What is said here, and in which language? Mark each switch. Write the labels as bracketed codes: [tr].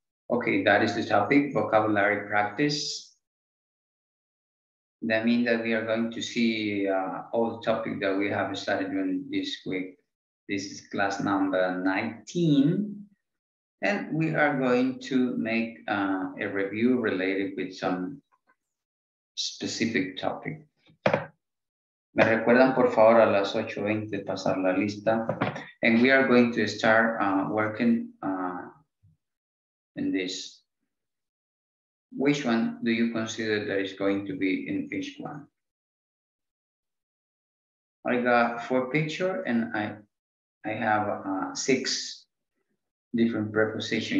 [en] Okay, that is the topic, vocabulary practice. That means that we are going to see all the topics that we have studied during this week. This is class number 19. And we are going to make a review related with some specific topic. [es] Me recuerdan, por favor, a las 8:20 pasar la lista. [en] And we are going to start working in this. Which one do you consider that is going to be in each one? I got 4 pictures and I have 6 different prepositions.